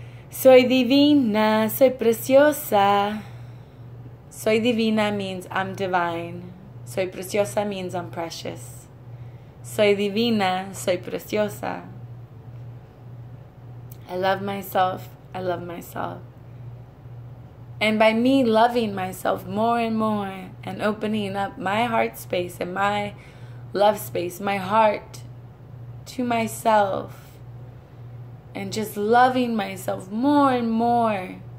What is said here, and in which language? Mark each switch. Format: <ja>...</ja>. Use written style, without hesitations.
<es>Soy divina, soy preciosa. Soy divina</es> <en>means I'm divine.</en> <es>Soy preciosa</es> <en>means I'm precious.</en> <es>Soy divina, soy preciosa.</es> <en>I love myself, I love myself. And by me loving myself more and more and opening up my heart space and my love space, my heart to myself, and just loving myself more and more.</en>